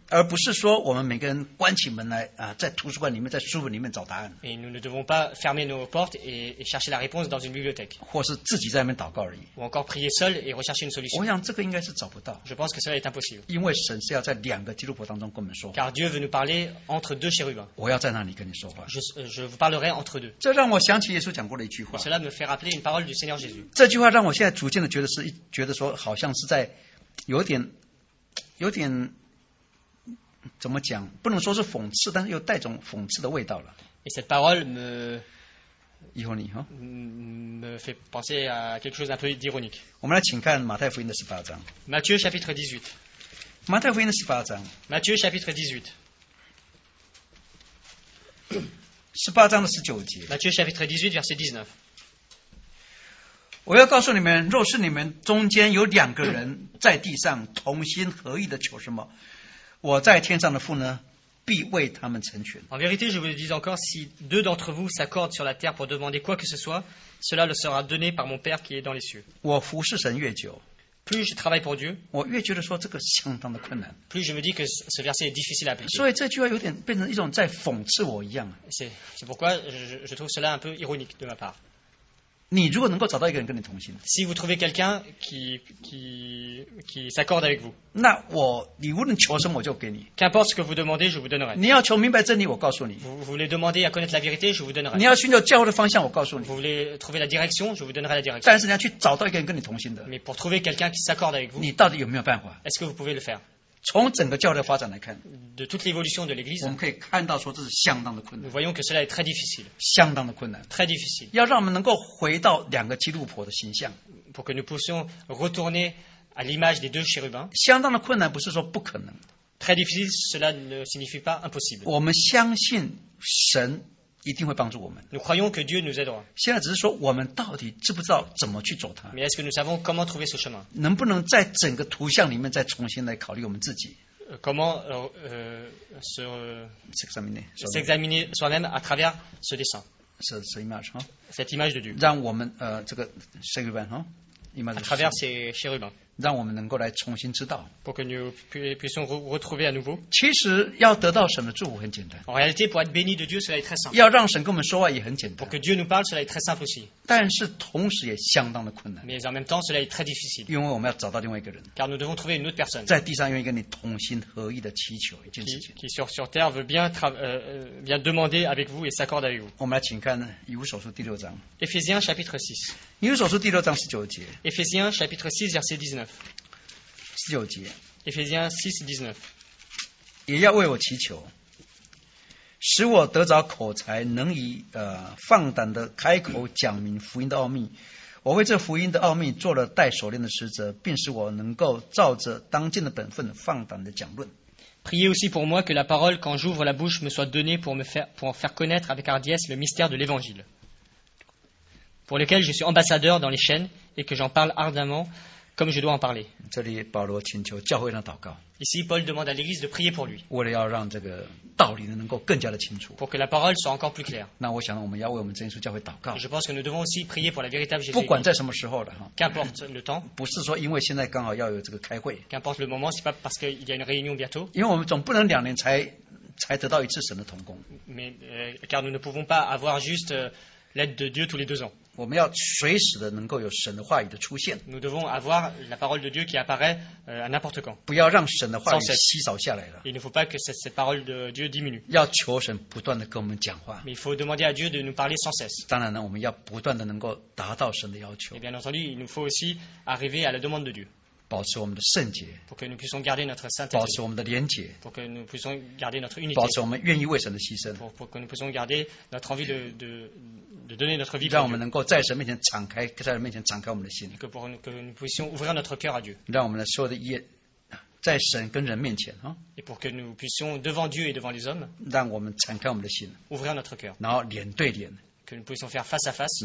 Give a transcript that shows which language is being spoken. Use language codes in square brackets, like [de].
[zh] 而不是说我们每个人关起门来啊，在图书馆里面，在书本里面找答案。 [fr] Et nous ne devons pas fermer nos portes et chercher la réponse dans une bibliothèque. [zh] 或是自己在那边祷告而已。 [fr] Ou encore prier seul et rechercher une solution. [zh] 我想这个应该是找不到。 [fr] Je pense que cela est impossible. [zh] 因为神是要在两个基督徒当中跟我们说话。 [fr] Car Dieu veut nous parler entre deux chérubins. [zh] 我要在那里跟你说话。 [fr] Je vous parlerai entre deux. [zh] 这让我想起耶稣讲过的一句话。 [fr] Cela me fait rappeler une parole du Seigneur Jésus. [zh] 这句话让我现在逐渐的觉得说，好像是在有点怎么讲？不能说是讽刺，但是又带种讽刺的味道了。 [fr] Et cette parole me [zh] 以后你哈 [fr] me fait penser à quelque chose un peu d'ironique. [zh] 我们来请看马太福音的十八章。 [fr] Matthieu chapitre 18. [zh] 马太福音的十八章。 [fr] Matthieu chapitre 18. [zh] 十八章的十九节。 [fr] Matthieu chapitre 18 verset 19. [zh] 我要告诉你们，若是你们中间有两个人在地上同心合意的求什么，我在天上的父呢，必为他们成全。 [fr] En vérité, je vous le dis encore, si deux d'entre vous s'accordent sur la terre pour demander quoi que ce soit, cela le sera donné par mon Père qui est dans les cieux. [zh] 我服侍神越久。 [fr] Plus je travaille pour Dieu, [zh] 我越觉得说这个相当的困难。 [fr] Plus je me dis que ce verset est difficile à appliquer. [zh] 所以这句话有点变成一种在讽刺我一样。 [fr] C'est pourquoi je trouve cela un peu ironique de ma part. [zh] 你如果能够找到一个人跟你同心 [fr] ，Si vous trouvez quelqu'un qui s'accorde avec vous， [zh] 那我你无论求什么我就给你。 [fr] Qu'importe ce que vous demandez， je vous donnerai。 [zh] 你要求明白真理，我告诉你。 [fr] Vous voulez demander à connaître la vérité， je vous donnerai。 [zh] 你要寻找教会的方向，我告诉你。 [fr] Vous voulez trouver la direction， je vous donnerai la direction。 [zh] 但是你要去找到一个人跟你同心的。 [fr] Mais pour trouver quelqu'un qui s'accorde avec vous， [zh] 你到底有没有办法 [fr] ？Est-ce que vous pouvez le faire？ [zh] 从整个教会的发展来看 [fr] ，de toute l'évolution de l'Église， [zh] 我们可以看到说这是相当的困难。 [fr] Nous voyons que cela est très difficile， [zh] 相当的困难 [fr] ，très difficile。 [zh] 要让我们能够回到两个基督徒的形象 [fr] ，pour que nous puissions retourner à l'image des deux chérubins， [zh] 相当的困难不是说不可能 [fr] ，très difficile， cela ne signifie pas impossible。 [zh] 我们相信神一定会帮助我们 [fr] ，nous croyons que Dieu nous aidera。 [zh] 现在只是说我们到底知不知道怎么去走它 [fr] ？Mais est-ce que nous savons comment trouver ce chemin？ [zh] 能不能在整个图像里面再重新来考虑我们自己 [fr] ？Comment s'examiner soi-même à travers ce dessin？ Cette image, Cette image de Dieu。 [zh] 让我们这个 chérubin, [fr] À travers ces chérubins。 [zh] 让我们能够来重新知道。 [fr] Pour que nous puissions retrouver à nouveau. [zh] 其实要得到神的祝福很简单。 [fr] En réalité, pour être béni de Dieu, cela est très simple. [zh] 要让神跟我们说话也很简单。 [fr] Pour que Dieu nous parle, cela est très simple aussi. [zh] 但是同时也相当的困难。 [fr] Mais en même temps, cela est très difficile. [zh] 因为我们要找到另外一个人。 [fr] Car nous devons trouver une autre personne. [zh] 在地上愿意跟你同心合意的祈求一件事情。 [fr] Qui sur terre veut bien demander avec vous et s'accorde avec vous. [zh] 我们来请看以弗所书第六章。 [fr] Éphésiens chapitre 6. [zh] 以弗所书第六章十九节。 [fr] Éphésiens chapitre 6 verset 19. [zh] 十九节 [fr] Ephésiens 6, 19 [zh] 也要为我祈求使我得着口才能以、放胆的开口讲明福音的奥秘我为这福音的奥秘做了带锁链的使者并使我能够照着当尽的本分放胆的讲论 [fr] Priez aussi pour moi que la parole quand j'ouvre la bouche me soit donnée pour faire connaître avec hardiesse le mystère de l'évangile pour lequel je suis ambassadeur dans les chaînes et que j'en parle ardemmentComme je dois en parler. [zh] 这里保罗请求教会上祷告。 [fr] Ici, Paul demande à l'Église de prier pour lui. [zh] 为了要让这个道理能够更加的清楚。 [fr] Pour que la parole soit encore plus claire. [zh] 那我想我们要为我们真耶稣教会祷告。 [fr] Je pense que nous devons aussi prier pour la véritable Jésus. [zh] 不管在什么时候的。 [fr] Qu'importe le temps. [zh] 不是说因为现在刚好要有这个开会。 [fr] Qu'importe le moment, c'est pas parce qu'il y a une réunion bientôt. [zh] 因为我们总不能两年才得到一次神的同工。 [fr] Mais, car nous ne pouvons pas avoir juste l'aide de Dieu tous les deux ans. [zh] 我们要随时的能够有神的话语的出现。 [fr] Nous devons avoir la parole de Dieu qui apparaît à n'importe quand. [zh] 不要让神的话语稀少下来了。 [fr] Il ne faut pas que cette parole de Dieu diminue. [zh] 要求神不断的跟我们讲话。 [fr] Mais il faut demander à Dieu de nous parler sans cesse. [zh] 当然呢，我们要不断的能够达到神的要求。 [fr] Et bien entendu, il nous faut aussi arriver à la demande de Dieu. [zh] 保持我们的圣洁。 [fr] Pour que nous puissions garder notre sainteté. [zh] 保持我们的廉洁。 [fr] Pour que nous puissions garder notre unité. [zh] 保持我们愿意为神的牺牲。 [fr] Pour que nous puissions garder notre envie de donner notre vie [zh] 让我们能够在神面前敞开，在神面前敞开我们的心。 [fr] Que nous puissions ouvrir notre cœur à Dieu. [zh] 让我们的所有的业，在神跟人面前啊。 [fr] Et pour que nous puissions devant Dieu et devant les hommes. [zh] 让我们敞开我们的心。 [fr] Ouvrir notre cœur. [zh] 然后脸对脸。 [fr] Que nous puissions faire face à face.